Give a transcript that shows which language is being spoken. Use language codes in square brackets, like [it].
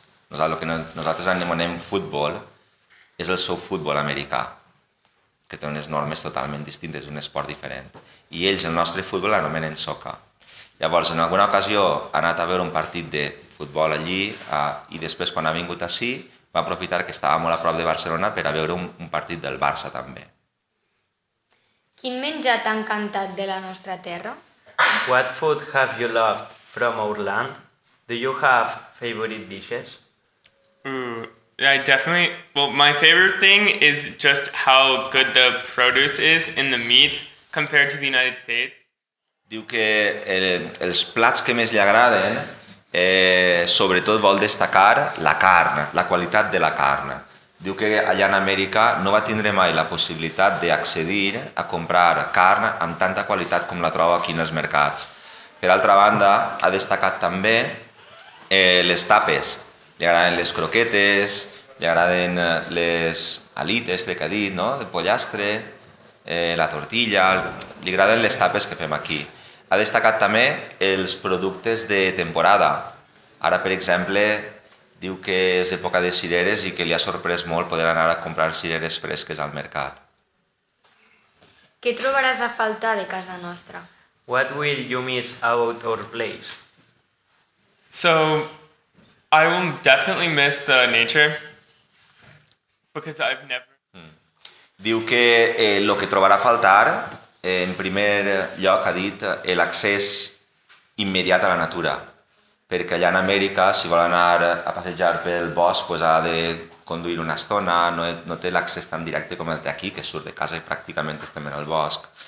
[ca] Nosaltres anomenem futbol, és el seu futbol americà, que té unes normes totalment distintes, un esport diferent. I ells, el nostre futbol, l'anomenen soccer. Llavors, en alguna ocasió ha anat a veure un partit de futbol allí i després, quan ha vingut ací, va aprofitar que estava molt a prop de Barcelona per a veure un partit del Barça, també. Quin menjar t'ha encantat de la nostra terra? [en] What food have you loved from our land? Do you have favorite dishes? I definitely... Well, my favorite thing is just how good the produce is in the meat compared to the United States. [ca] Diu que els plats que més li agraden, sobretot vol destacar la carn, la qualitat de la carn. Diu que allà en Amèrica no va tindre mai la possibilitat d'accedir a comprar carn amb tanta qualitat com la troba aquí en els mercats. Per altra banda, ha destacat també les tapes. Li agraden les croquetes, li agraden les alites, crec que ha dit, no? De pollastre, la tortilla... Li agraden les tapes que fem aquí. Ha destacat també els productes de temporada. Ara, per exemple, diu que és època de cireres i que li ha sorprès molt poder anar a comprar cireres fresques al mercat. Què trobaràs a faltar de casa nostra? [en] What will you miss about our place? So, I will definitely miss the nature, because I've never... [ca] Diu que el que trobarà a faltar, en primer lloc ha dit l'accés immediat a la natura, perquè allà en Amèrica, si vol anar a passejar pel bosc, pues ha de conduir una estona, no té l'accés tan directe com el té aquí, que surt de casa i pràcticament estem en el bosc.